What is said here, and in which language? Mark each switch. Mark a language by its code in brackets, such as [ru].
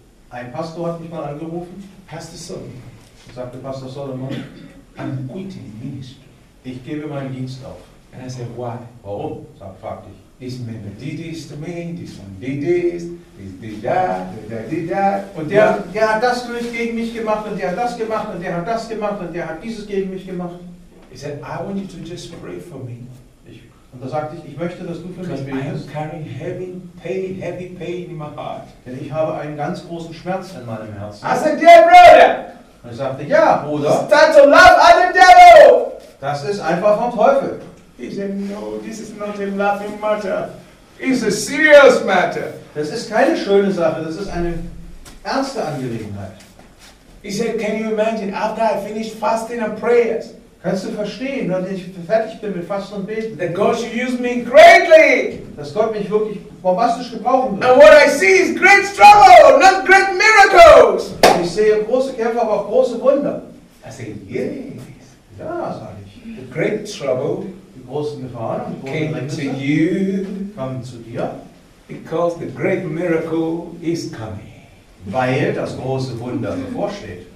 [de] Ein Pastor hat mich mal angerufen. Pastor Solomon. Und sagte Pastor Solomon. [en] I'm quitting ministry. [de] Ich gebe meinen Dienst auf. [en] And I said, why? [de] Warum? Sag, frag dich. [en] This man did this to me, this one did this, this did that, that did that. [de] Und der hat das durch gegen mich gemacht, und der hat das gemacht, und der hat das gemacht, und der hat dieses gegen mich gemacht. [en] He said, I want you to just pray for me. [de] Und da sagte ich möchte, dass du für mich betest. [en] I am carrying heavy pain in my heart. [de] Denn ich habe einen ganz großen Schmerz in meinem Herzen. [en] I said, yeah, brother. [de] Und ich sagte, ja, Bruder. [en] Start to laugh at the devil. [de] Das ist einfach vom Teufel. [en] He said, no, this is not a laughing matter. It's a serious matter. [de] Das ist keine schöne Sache, das ist eine ernste Angelegenheit. [en] He said, can you imagine, after I finished fasting and prayers. [de] Kannst du verstehen, wenn ich fertig bin mit Fasten und Beten. [en] That God should use me greatly. [de] Dass Gott mich wirklich bombastisch gebrauchen wird. [en] And what I see is great struggle, not great miracles. [de] Ich sehe große Kämpfe, aber auch große Wunder. [en] I say, yes. [de] Ja, sage ich. [en] The great trouble. [de] Die großen Gefahren und die [en] came Rennisse to you. [de] Kommen zu dir. [en] Because the great miracle is coming. [de] Weil das große Wunder bevorsteht.